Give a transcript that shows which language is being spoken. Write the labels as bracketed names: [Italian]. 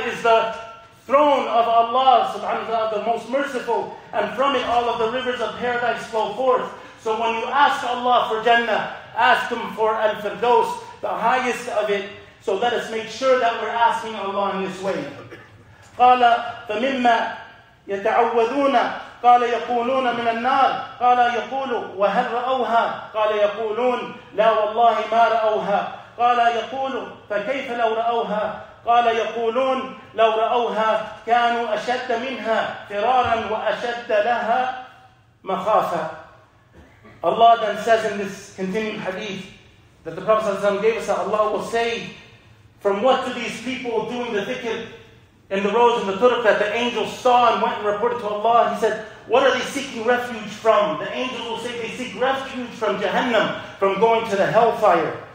[English] It is the throne of Allah subhanahu wa ta'ala, the most merciful. And from it, all of the rivers of paradise flow forth. So when you ask Allah for Jannah, ask Him for al-Firdaus, the highest of it. So let us make sure that we're asking Allah in this way. [Arabic] قال فمما يتعوذون قال يقولون من النار قال يقول وهل رأوها قال يقولون لا والله ما رأوها قال يقول فكيف لو رأوها قال يقولون لو رأوها كانوا أشد منها فرارا وأشد لها مخافة. [English] Allah then says in this continuing hadith that the Prophet ﷺ gave us, Allah will say, from what do these people doing the dhikr in the roads and the turq that the angels saw and went and reported to Allah? He said, what are they seeking refuge from? The angels will say they seek refuge from Jahannam, from going to the hellfire.